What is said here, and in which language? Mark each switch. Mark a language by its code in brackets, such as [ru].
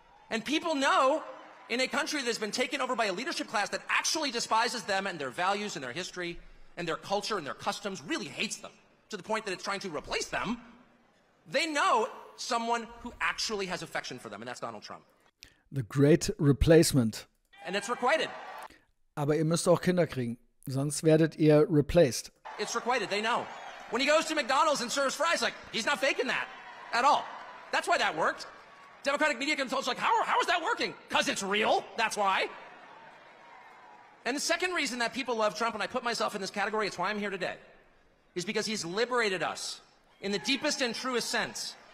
[en] And people know in a country that has been taken over by a leadership class that actually despises them and their values and their history and their culture and their customs, really hates them to the point that it's trying to replace them. They know someone who actually has affection for them, and that's Donald Trump. The great replacement. And it's requited. [de] Aber ihr müsst auch Kinder kriegen, sonst werdet ihr replaced. [en] It's requited, they know. When he goes to McDonald's and serves fries, like, he's not faking that at all. That's why that worked. Democratic media consultants are like, how is that working? Because it's real, that's why. And the second reason that people love Trump, and I put myself in this category, it's why I'm here today, is because he's liberated us in the deepest and truest sense.